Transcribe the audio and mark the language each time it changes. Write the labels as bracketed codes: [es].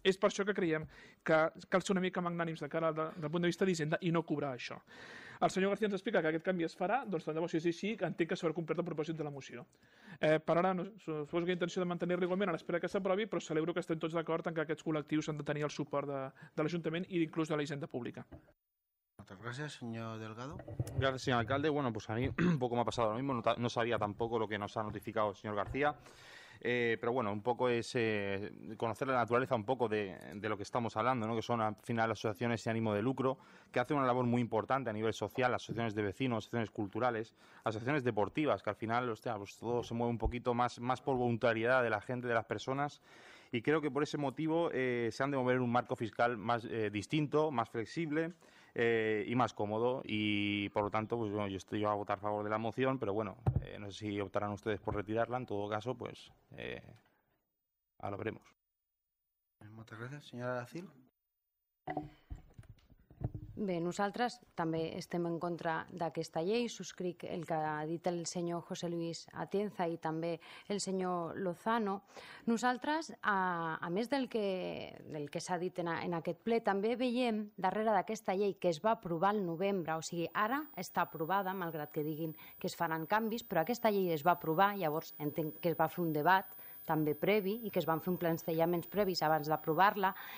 [ca] És per això que creiem que cal ser una mica magnànims de cara del punt de vista d'Hisenda i no cobrar això. El senyor García ens explica que aquest canvi es farà, doncs tant de bo si és així, entenc que s'haurà complert el propòsit de la moció. Per ara, no, suposo que hi ha intenció de mantenir-lo igualment a l'espera que s'aprovi, però celebro que estem tots d'acord en que aquests col·lectius han de tenir el suport de l'Ajuntament i inclús de la Hisenda Pública. [es] Muchas gracias, señor Delgado. Gracias, señor alcalde. Bueno, pues a mí un poco me ha pasado lo mismo. No sabía tampoco lo que nos ha notificado el señor García. Pero bueno, un poco es conocer la naturaleza un poco de lo que estamos hablando, ¿no? Que son al final asociaciones sin ánimo de lucro, que hacen una labor muy importante a nivel social, asociaciones de vecinos, asociaciones culturales, asociaciones deportivas, que al final, hostia, pues todo se mueve un poquito más por voluntariedad de la gente, de las personas. Y creo que por ese motivo se han de mover un marco fiscal más distinto, más flexible. Y más cómodo y por lo tanto pues bueno, yo estoy a votar a favor de la moción, pero bueno, no sé si optarán ustedes por retirarla, en todo caso pues ahora veremos. Muchas gracias, señora Aracil. [ca] Bé, nosaltres també estem en contra d'aquesta llei, subscric el que ha dit el senyor José Luis Atienza i també el senyor Lozano. Nosaltres, a més del que s'ha dit en aquest ple, també veiem darrere d'aquesta llei que es va aprovar el novembre, o sigui, ara està aprovada, malgrat que diguin que es faran canvis, però aquesta llei es va aprovar, llavors entenc que es va fer un debat també previ i que es van fer un plantejament previs abans d'aprovar-la.